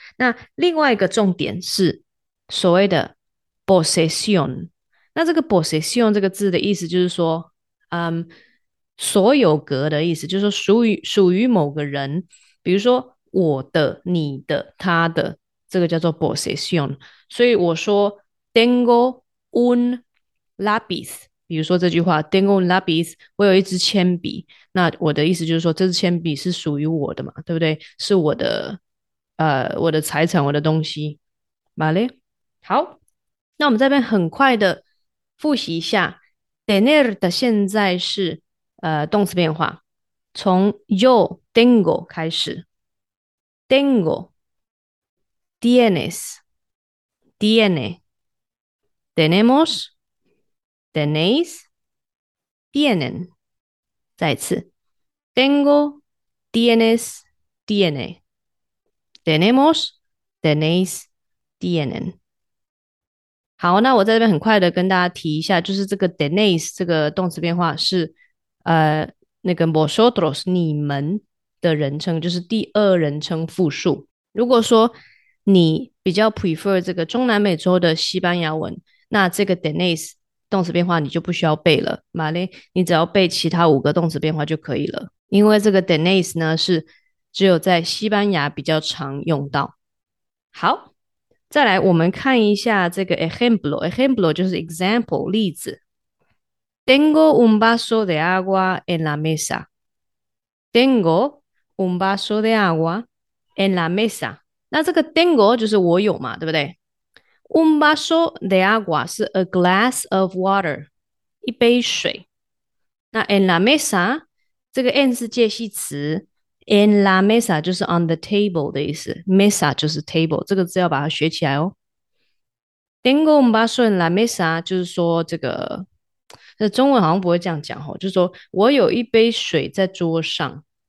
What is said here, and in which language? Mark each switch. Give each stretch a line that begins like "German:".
Chinese: 那另外一个重点是所谓的 possession，那这个 possession 这个字的意思就是说，所有格的意思，就是说属于某个人，比如说我的、你的、他的，这个叫做 possession。所以我说
Spanish: Tengo un lápiz。
Chinese: 比如说这句话，
Spanish: Tengo un lápiz，
Chinese: 我有一支铅笔。那我的意思就是说，这支铅笔是属于我的嘛，对不对？是我的财产，我的东西。 Vale，好，那我们这边很快的复习一下，tener 的现在是动词变化，从
Spanish: yo tengo
Chinese: 开始，
Spanish: tengo，tienes，tiene，tenemos。 Tenéis, tienen.
Chinese: 再次，
Spanish: tengo, tienes, tiene. Tenemos, tenéis, tienen.
Chinese: 好，那我在这边很快的跟大家提一下，就是这个 tenéis 这个动词变化是那个 vosotros 你们的人称，就是第二人称复数。如果说你比较 prefer 这个中南美洲的西班牙文，那这个 tenéis。动词变化你就不需要背了，马嘞，你只要背其他五个动词变化就可以了。因为这个 tenéis 呢是只有在西班牙比较常用到。好，再来我们看一下这个 ejemplo 就是 example 例子。
Spanish: Tengo un vaso de agua en la mesa. Tengo un vaso de agua en la mesa.
Chinese: 那这个 tengo 就是我有嘛，对不对？
Spanish: Un vaso de agua
Chinese: 是
English: a glass of water，
Chinese: 一杯水。那
Spanish: en la mesa
Chinese: 这个 en 是介系词，en la mesa 就是
English: on the table
Chinese: 的意思，mesa 就是 table，这个字要把它学起来哦。
Spanish: Tengo un vaso en la mesa
Chinese: 就是说这个，那中文好像不会这样讲哦，就是说我有一杯水在桌上。